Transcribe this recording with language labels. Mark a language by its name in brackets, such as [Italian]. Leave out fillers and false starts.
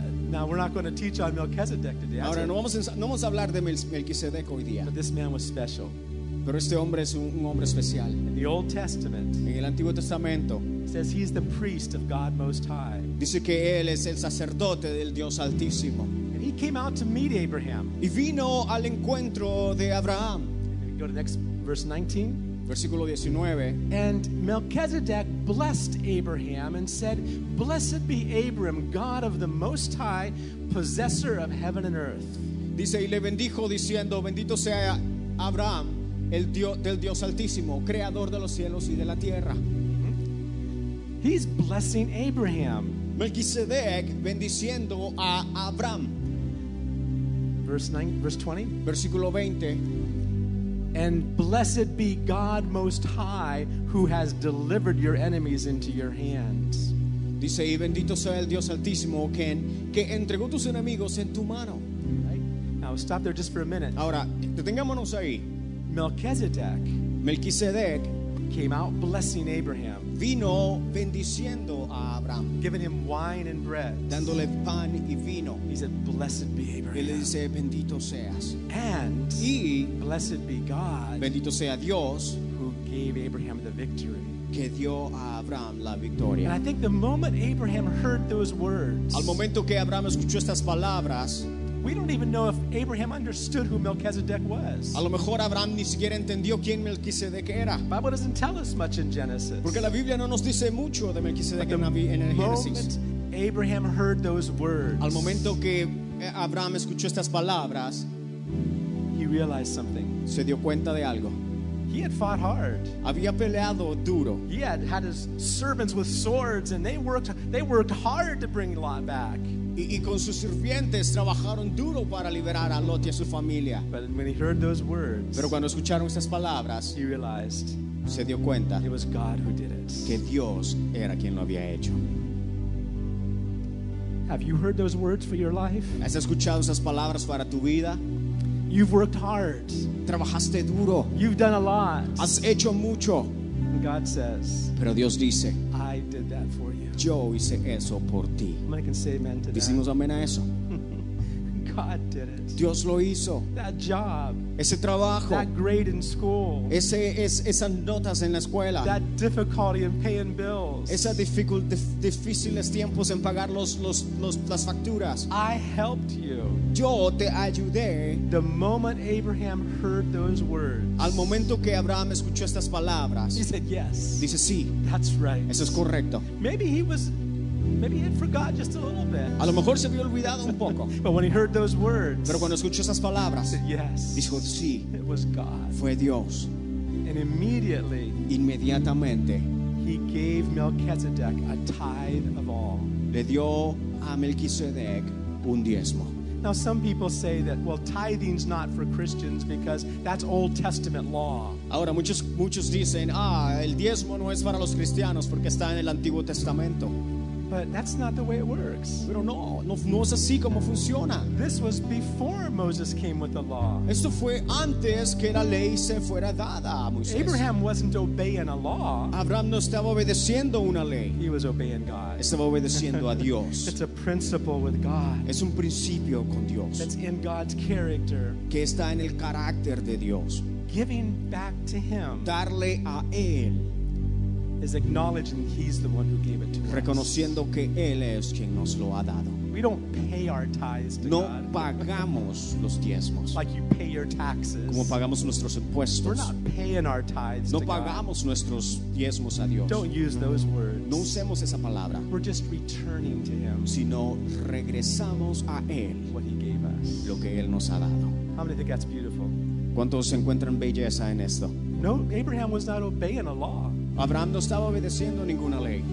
[English] Now we're not going to teach on Melquisedec today. [Spanish] Ahora no vamos a hablar de Melquisedec hoy día. [English] But this man was special. [Spanish] Pero este hombre es un hombre especial. [English] In the Old Testament, [Spanish] en el Antiguo Testamento, [English] says he's the priest of God Most High. [Spanish] Dice que él es el sacerdote del Dios Altísimo. [English] He came out to meet Abraham. [Spanish] Y vino al encuentro de Abraham. [English] Go to the next verse 19. [Spanish] Versículo 19. [English] And Melchizedek blessed Abraham and said, "Blessed be Abram, God of the Most High, possessor of heaven and earth." [Spanish] Dice y le bendijo diciendo, "Bendito sea Abraham, el Dios del Dios Altísimo, creador de los cielos y de la tierra." [English] He's blessing Abraham. [Spanish] Melquisedec bendiciendo a Abraham. [English] Verse 20. [Spanish] Versículo 20. [English] And blessed be God Most High, who has delivered your enemies into your hands. [Spanish] Dice, y bendito sea el Dios Altísimo, que entregó tus enemigos en tu mano. [English] Right? Now stop there just for a minute. [Spanish] Ahora, detengámonos ahí. [English] Melchizedek came out blessing Abraham. [Spanish] Vino bendiciendo a Abraham. [English] Giving him wine and bread. [Spanish] Dándole pan y vino. [English] He said, "Blessed be Abraham." [Spanish] Y le dice, "Bendito seas." [English] And [Spanish] y [English] blessed be God. [Spanish] Bendito sea Dios. [English] Who gave Abraham the victory. [Spanish] Que dio a Abraham la victoria. [English] And I think the moment Abraham heard those words. [Spanish] Al momento que Abraham escuchó estas palabras. [English] We don't even know if Abraham understood who Melchizedek was. [Spanish] A lo mejor Abraham ni siquiera entendió quién Melquisedec era. [English] The Bible doesn't tell us much in Genesis. [Spanish] Porque la Biblia no nos dice mucho de Melquisedec en el Génesis. [English] Abraham heard those words. [Spanish] Al momento que Abraham escuchó estas palabras, [English] he realized something. [Spanish] Se dio cuenta de algo. [English] He had fought hard. [Spanish] Había peleado duro. [English] He had his servants with swords, and they worked hard to bring Lot back. [Spanish] Y con sus sirvientes trabajaron duro para liberar a Lot y a su familia. [English] But when he heard those words, [Spanish] pero cuando escucharon esas palabras, [English] he realized, [Spanish] se dio cuenta, [English] it was God who did it. [Spanish] Que Dios era quien lo había hecho. [English] Have you heard those words for your life? [Spanish] ¿Has escuchado esas palabras para tu vida? [English] You've worked hard. [Spanish] Trabajaste duro. [English] You've done a lot. [Spanish] Has hecho mucho. [English] And God says, [Spanish] pero Dios dice, [English] I did that for you. [Spanish] Yo hice eso por ti. [English] I can say amen to that. [Spanish] Decimos amén a eso. [English] God did it. [Spanish] Dios lo hizo. [English] That job. [Spanish] Ese trabajo. [English] That grade in school. [Spanish] Esas notas en la escuela. [English] That difficulty in paying bills. [Spanish] Esa difíciles tiempos en pagar las facturas. [English] I helped you. [Spanish] Yo te ayudé. [English] The moment Abraham heard those words. [Spanish] Al momento que Abraham escuchó estas palabras. [English] He said yes. [Spanish] Dice sí. [English] That's right. [Spanish] Eso es correcto. [English] Maybe he had forgot just a little bit. [Spanish] A lo mejor se había olvidado un poco. [English] But when he heard those words, [Spanish] pero cuando escuchó esas palabras, [English] yes, [Spanish] dijo sí. [English] It was God. [Spanish] Fue Dios. [English] And immediately, [Spanish] inmediatamente, [English] he gave Melchizedek a tithe of all. [Spanish] Le dio a Melquisedec un diezmo. [English] Now some people say that, well, tithing's not for Christians because that's Old Testament law. [Spanish] Ahora muchos dicen, el diezmo no es para los cristianos porque está en el Antiguo Testamento. [English] But that's not the way it works. [Spanish] Pero no es así como funciona. [English] This was before Moses came with the law. [Spanish] Esto fue antes que la ley se fuera dada a Moisés. [English] Abraham wasn't obeying a law. [Spanish] Abraham no estaba obedeciendo una ley. [English] He was obeying God. [Spanish] Estaba obedeciendo a Dios. [English] It's a principle with God. [Spanish] Es un principio con Dios. [English] That's in God's character. [Spanish] Que está en el carácter de Dios. [English] Giving back to him. [Spanish] Darle a él. [English] Is acknowledging he's the one who gave it to us. [Spanish] Reconociendo que él es quien nos lo ha dado. [English] We We don't pay our tithes to [Spanish] no [English] God. [Spanish] Pagamos los diezmos. [English] Like you pay your taxes. [Spanish] Como pagamos nuestros impuestos. [English] We're not paying our tithes [Spanish] no [English] to [Spanish] pagamos [English] God. [Spanish] Nuestros diezmos a Dios. [English] Don't use those words. [Spanish] No usemos esa palabra. [English] We're just returning to Him. [Spanish] Sino regresamos a Él. [English] What He gave us. [Spanish] Lo que Él nos ha dado. [English] How many think that's beautiful? [Spanish] ¿Cuántos se encuentran belleza en esto? [English] No, Abraham was not obeying a law. [Spanish] Abraham no estaba obedeciendo ninguna ley.